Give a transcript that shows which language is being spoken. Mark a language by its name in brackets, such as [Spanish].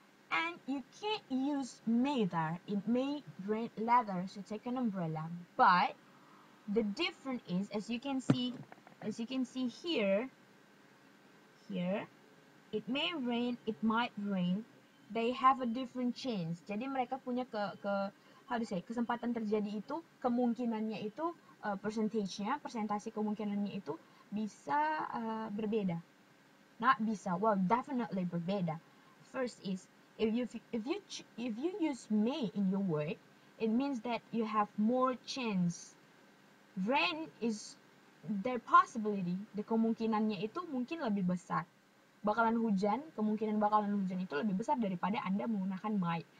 [English] And you can't use may there. It may rain leather, so take an umbrella. But the difference is, as you can see here, it may rain, it might rain. They have a different chance. [Indonesian] Jadi mereka punya kesempatan terjadi itu, kemungkinannya itu, persentase kemungkinannya itu bisa berbeda. [English] Not bisa, well, definitely berbeda. First is, if you use may in your word, it means that you have more chance. Rain is their possibility, the [Indonesian] kemungkinannya itu mungkin lebih besar. Bakalan hujan, kemungkinan bakalan hujan itu lebih besar daripada Anda menggunakan might.